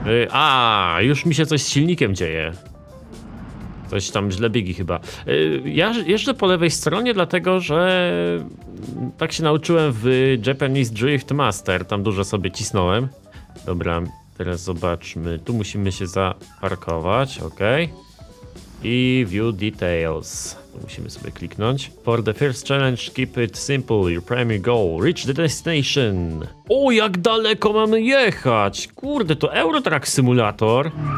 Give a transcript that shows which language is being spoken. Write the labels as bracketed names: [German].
[Polish] A, już mi się coś z silnikiem dzieje. Coś tam źle biegi chyba. Ja jeżdżę po lewej stronie, dlatego że... tak się nauczyłem w Japanese Drift Master, tam dużo sobie cisnąłem. Dobra, teraz zobaczmy, tu musimy się zaparkować, okej. [English] I view details. [Polish] Musimy sobie kliknąć. [English] For the first challenge, keep it simple, your primary goal, reach the destination. [Polish] O, jak daleko mamy jechać? Kurde, to Eurotrack Simulator.